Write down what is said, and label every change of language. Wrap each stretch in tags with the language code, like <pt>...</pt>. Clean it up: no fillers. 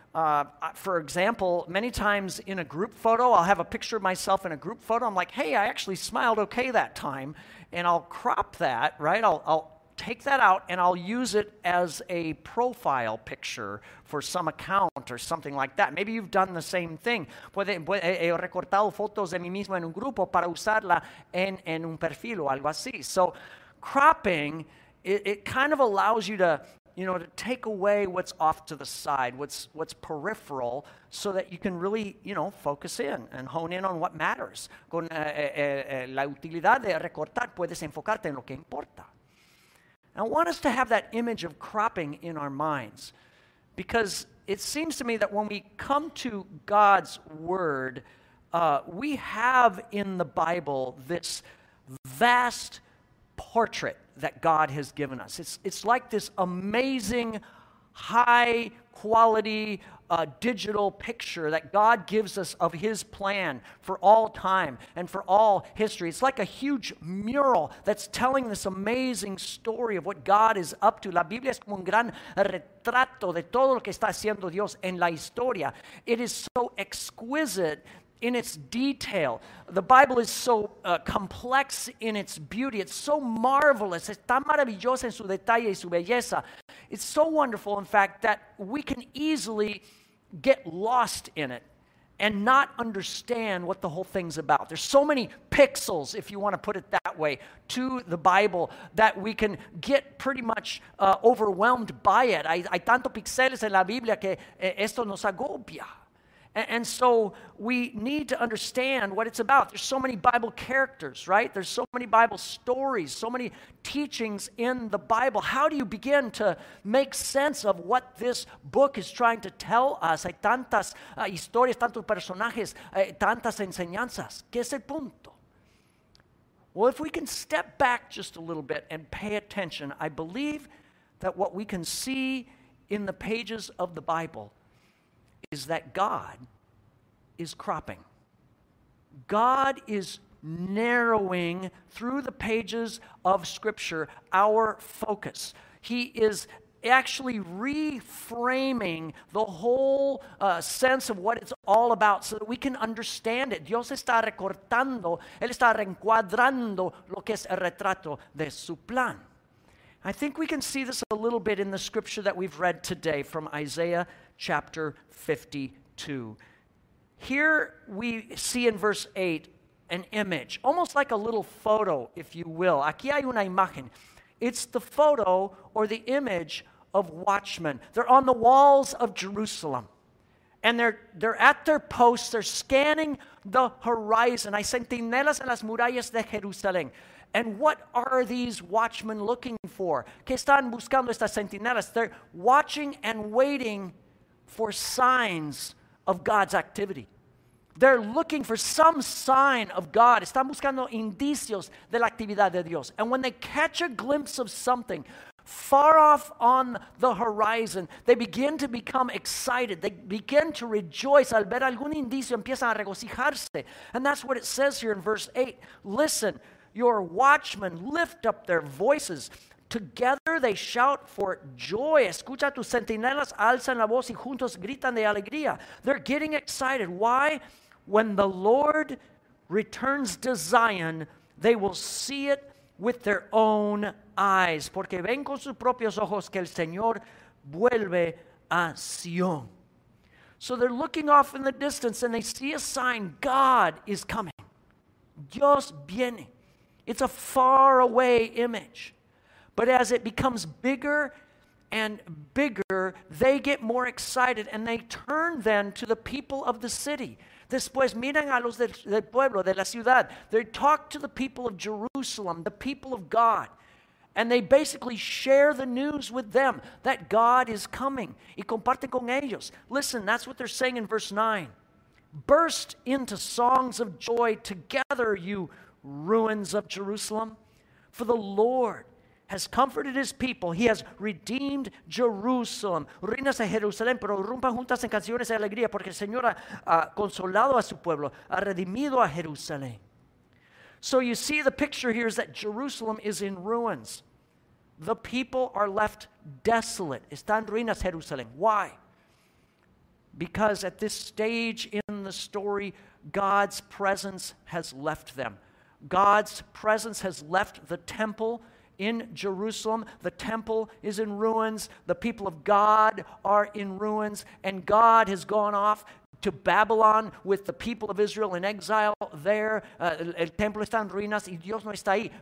<en>For example, many times in a group photo, I'll have a picture of myself in a group photo. I'm like, hey, I actually smiled okay that time. And I'll crop that, right? I'll take that out and I'll use it as a profile picture for some account or something like that. Maybe you've done the same thing.</en> <es>He recortado fotos de mí mismo en un grupo para usarla en un perfil o algo así.</es> <en>So cropping, it kind of allows you to, you know, to take away what's off to the side, what's peripheral, so that you can really, you know, focus in and hone in on what matters.</en> <es>Con la utilidad de recortar, puedes enfocarte en lo que importa.</es> <en>I want us to have that image of cropping in our minds, because it seems to me that when we come to God's Word, we have in the Bible this vast portrait that God has given us. It's like this amazing, high quality digital picture that God gives us of His plan for all time and for all history. It's like a huge mural that's telling this amazing story of what God is up to.</en> <es>La Biblia es como un gran retrato de todo lo que está haciendo Dios en la historia.</es> <en>It is so exquisite in its detail. The Bible is so complex in its beauty. It's so marvelous.</en> <es>Es tan maravillosa en su detalle y su belleza.</es> <en>It's so wonderful, in fact, that we can easily get lost in it and not understand what the whole thing's about. There's so many pixels, if you want to put it that way, to the Bible that we can get pretty much overwhelmed by it.</en> <es>Hay tantos pixeles en la Biblia que esto nos agobia.</es> <en>And so we need to understand what it's about. There's so many Bible characters, right? There's so many Bible stories, so many teachings in the Bible. How do you begin to make sense of what this book is trying to tell us?</en> <es>Hay tantas historias, tantos personajes, tantas enseñanzas. ¿Qué es el punto?</es> <en>Well, if we can step back just a little bit and pay attention, I believe that what we can see in the pages of the Bible is that God is cropping. God is narrowing through the pages of Scripture our focus. He is actually reframing the whole sense of what it's all about so that we can understand it.</en> <es>Dios está recortando, Él está reencuadrando lo que es el retrato de su plan.</es> <en>I think we can see this a little bit in the scripture that we've read today from Isaiah chapter 52. Here we see in verse 8 an image, almost like a little photo, if you will.</en> <es>Aquí hay una imagen.</es> <en>It's the photo or the image of watchmen. They're on the walls of Jerusalem. And they're at their posts. They're scanning the horizon.</en> <es>Hay centinelas en las murallas de Jerusalén.</es> <en>And what are these watchmen looking for?</en> <es>¿Qué están buscando estas centinelas?</es> <en>They're watching and waiting for signs of God's activity. They're looking for some sign of God.</en> <es>Están buscando indicios de la actividad de Dios.</es> <en>And when they catch a glimpse of something far off on the horizon, they begin to become excited. They begin to rejoice.</en> <es>Al ver algún indicio, empiezan a regocijarse.</es> <en>And that's what it says here in verse 8. Listen, your watchmen lift up their voices. Together they shout for joy.</en> <es>Escucha, tus centinelas alzan la voz y juntos gritan de alegría.</es> <en>They're getting excited. Why? When the Lord returns to Zion, they will see it with their own eyes.</en> <es>Porque ven con sus propios ojos que el Señor vuelve a Sion.</es> <en>So they're looking off in the distance and they see a sign. God is coming.</en> <es>Dios viene.</es> <en>It's a far away image. But as it becomes bigger and bigger, they get more excited and they turn then to the people of the city.</en> <es>Después miran a los del pueblo, de la ciudad.</es> <en>They talk to the people of Jerusalem, the people of God. And they basically share the news with them that God is coming.</en> <es>Y comparten con ellos.</es> <en>Listen, that's what they're saying in verse 9. Burst into songs of joy together, you ruins of Jerusalem. For the Lord has comforted his people. He has redeemed Jerusalem.</en> <es>Ruinas de Jerusalén, pero rompan juntas en canciones de alegría, porque el Señor ha consolado a su pueblo, ha redimido a Jerusalén.</es> <en>So you see the picture here is that Jerusalem is in ruins. The people are left desolate.</en> <es>Están ruinas Jerusalén.</es> <en>Why? Because at this stage in the story, God's presence has left them. God's presence has left the temple in Jerusalem. The temple is in ruins. The people of God are in ruins. And God has gone off to Babylon with the people of Israel in exile there.</en> <es>El templo está en ruinas y Dios no está ahí.</es>